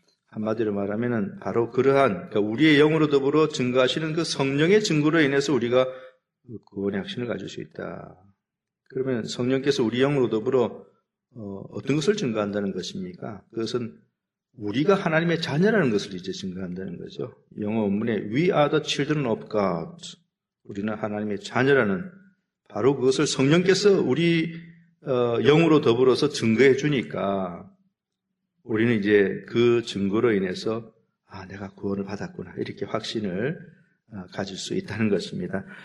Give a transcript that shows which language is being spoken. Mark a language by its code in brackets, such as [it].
[ko] 한마디로 말하면은 바로 그러한 그러니까 우리의 영으로 더불어 증거하시는 그 성령의 증거로 인해서 우리가 구원의 확신을 가질 수 있다. 그러면 성령께서 우리 영으로 더불어 어떤 것을 증거한다는 것입니까? 그것은 우리가 하나님의 자녀라는 것을 이제 증거한다는 거죠. 영어 원문에 [en] We are the children of God. [ko] 우리는 하나님의 자녀라는 바로 그것을 성령께서 우리 영으로 더불어서 증거해 주니까 우리는 이제 그 증거로 인해서 아, 내가 구원을 받았구나. 이렇게 확신을 가질 수 있다는 것입니다.